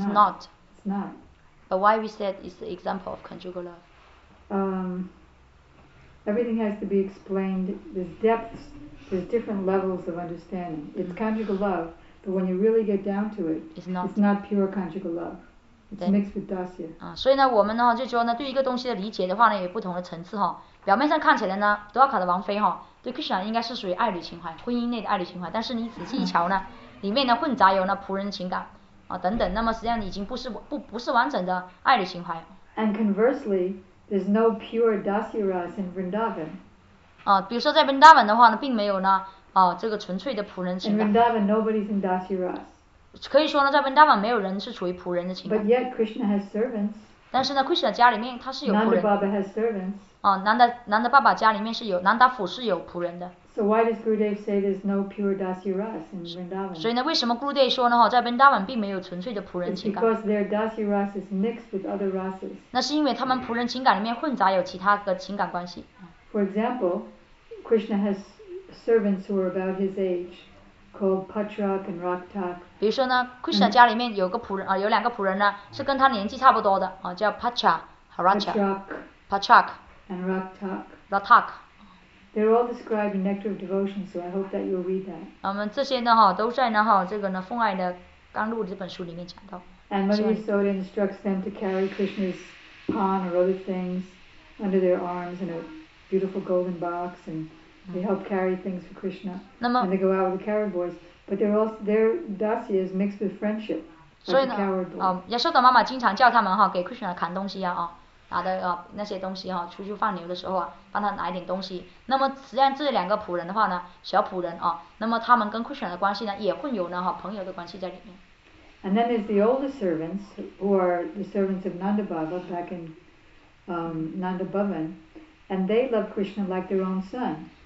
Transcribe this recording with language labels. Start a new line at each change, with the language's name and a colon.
English: not. Not. It's not. But why we said it's the example of conjugal love? Everything has to be explained. There's depths, there's different levels of understanding. It's conjugal love, but when you really get down to it, it's not pure conjugal love. It's mixed with dasya.
Chinese: 所以呢，我们呢就说呢，对一个东西的理解的话呢，有不同的层次哈。表面上看起来呢，多瓦卡的王妃哈，对 Krishna 应该是属于爱侣情怀，婚姻内的爱侣情怀。但是你仔细一瞧呢，里面呢混杂有那仆人情感。等等，那么实际上已经不是完整的爱侣情怀。
English: And conversely, there's no pure dasya ras in Vrindavan.
Chinese: 比如说在 Vrindavan 的话呢，并没有呢，这个纯粹的仆人情感。
English: In Vrindavan, nobody's in dasya ras.
Chinese: 可以说呢，在 Vrindavan 没有人是处于仆人的情感。
English: But yet Krishna has servants.
Chinese: 但是呢 ，Krishna 家里面他是有仆人。
English: Nanda Baba has servants.
Chinese: 南达爸爸家里面是有南达府是有仆人的。
English: So why does Gurudev say there's no pure dasya ras in Vrindavan?
Chinese: 所以呢，为什么 Gurudev 说呢？在 Vrindavan 并没有纯粹的仆人情感。
English: It's because their dasya ras is mixed with other rases.
Chinese: 那是因为他们仆人情感里面混杂有其他的情感关系。
English: For example, Krishna has servants who are about his age, called Patrak and Raktak.
Chinese: 比如说呢 ，Krishna 家里面有个仆人有两个仆人呢，是跟他年纪差不多的叫 Patrak 和 Raktak。Patrak
English: and Raktak. Raktak. They're all described in Nectar of Devotion, so I hope that you'll read that.
Chinese: 这些呢都在呢这个呢《奉爱的纲录》这本书里面讲到。
English: And Mother Yasoda instructs them to carry Krishna's pawn or other things under their arms in a beautiful golden box, and they help carry things for Krishna.
Chinese: 那么。
English: And they go out with the coward boys, but they're also their dasya is mixed with friendship.
Chinese: 所以呢，Yasoda 妈妈经常叫他们给 Krishna 扛东西拿的那些东西出去放牛的时候帮他拿一点东西。那么实际上这两个仆人的话呢，小仆人那么他们跟 Krishna 的关系呢，也混有呢朋友的关系在里面。
English: And then there's the older servants who are the servants of Nanda Baba back in Nanda Bhavan, and they love Krishna like their own son.